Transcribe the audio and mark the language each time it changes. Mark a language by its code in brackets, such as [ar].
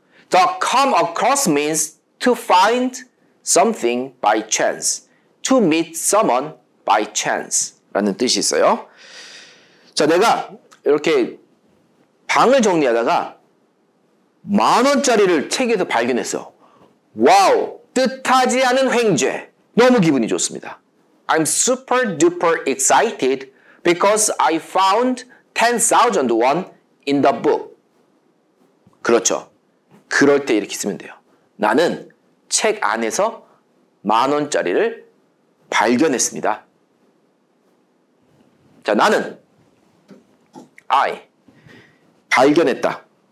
[en] The come across means to find something by chance, to meet someone by chance [ko] 라는 뜻이 있어요. 자, 내가 이렇게 방을 정리하다가 만 원짜리를 책에서 발견했어. 와우, 뜻하지 않은 횡재. 너무 기분이 좋습니다. [en] I'm super duper excited because I found 10,000 won in the book. [ko] 그렇죠. 그럴 때 이렇게 쓰면 돼요. 나는 책 안에서 만 원짜리를 발견했습니다. 자, 나는 [en] I [ko] 발견했다.